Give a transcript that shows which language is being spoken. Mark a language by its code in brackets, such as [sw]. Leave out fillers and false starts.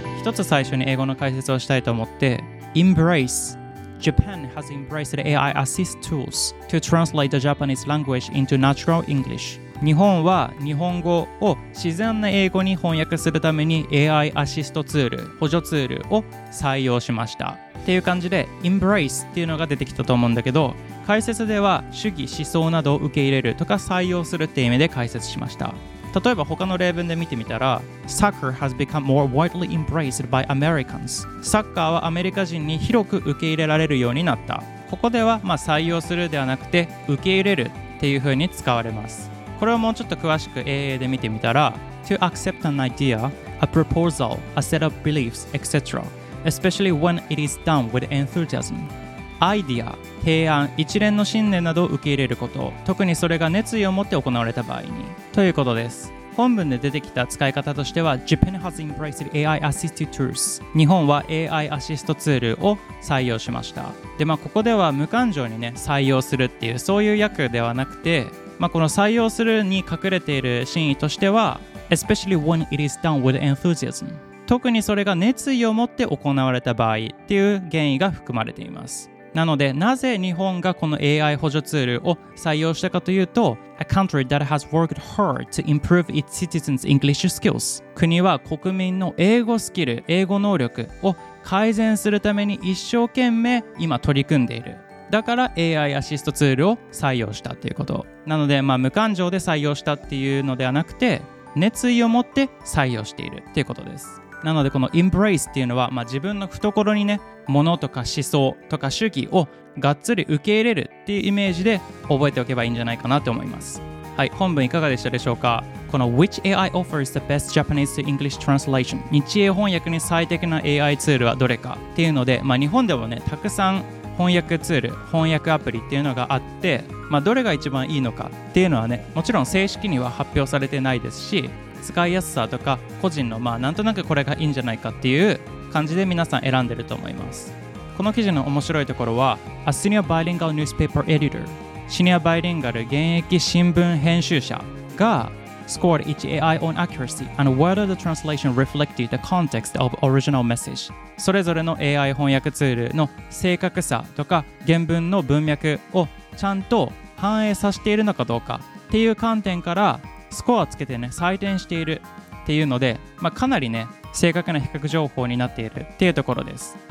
[ja] 一つ最初に英語の解説をしたいと思って、 [en] Embrace Japan has embraced AI assist tools to translate the Japanese language into natural English. [ja] 日本は日本語を自然な英語に翻訳するために AI アシストツール、補助ツールを採用しましたっていう感じで Embrace っていうのが出てきたと思うんだけど、解説では主義思想などを受け入れるとか採用するって意味で解説しました。例えば他の例文で見てみたら、 [en] Soccer has become more widely embraced by Americans. [ja] サッカーはアメリカ人に広く受け入れられるようになった。ここでは、まあ、採用するではなくて受け入れるっていう風に使われます。これをもうちょっと詳しく AA で見てみたら、 [en] To accept an idea, a proposal, a set of beliefs, etc. especially when it is done with enthusiasm. [ja] アイディア、提案、一連の信念などを受け入れること、特にそれが熱意を持って行われた場合にということです。本文で出てきた使い方としては、 [en] Japan has embraced AI assisted tools. [ja] 日本は AI アシストツールを採用しました。で、まあ、ここでは無感情にね、採用するっていう、そういう訳ではなくて、まあ、この採用するに隠れている真意としては、 [en] Especially when it is done with enthusiasm. [ja] 特にそれが熱意を持って行われた場合っていう原意が含まれています。なので、なぜ日本がこの AI 補助ツールを採用したかというと、 [en] A country that has worked hard to improve its citizens' English skills. [ja] 国は国民の英語スキル、英語能力を改善するために一生懸命今取り組んでいる。だから AI アシストツールを採用したということなので、まあ、無感情で採用したっていうのではなくて、熱意を持って採用しているということです。なので、この embrace っていうのは、まあ、自分の懐にね、物とか思想とか主義をがっつり受け入れるっていうイメージで覚えておけばいいんじゃないかなと思います。はい、本文いかがでしたでしょうか。 [en] この Which AI offers the best Japanese to English translation? [ja] 日英翻訳に最適な AI ツールはどれかっていうので、まあ、日本でもね、たくさん翻訳ツール、翻訳アプリっていうのがあって、まあ、どれが一番いいのかっていうのはね、もちろん正式には発表されてないですし、使いやすさとか個人の、まあ、なんとなくこれがいいんじゃないかっていう感じで皆さん選んでると思います。この記事の面白いところは、 [en] A senior bilingual newspaper editor、 [ja] シニアバイリンガル現役新聞編集者が、 [en] scored its AI on accuracy and whether the translation reflected the context of original message. [ja] それぞれの AI 翻訳ツールの正確さとか原文の文脈をちゃんと反映させているのかどうかっていう観点からスコアつけてね、採点しているっていうので、まあ、かなりね、正確な比較情報になっているっていうところです。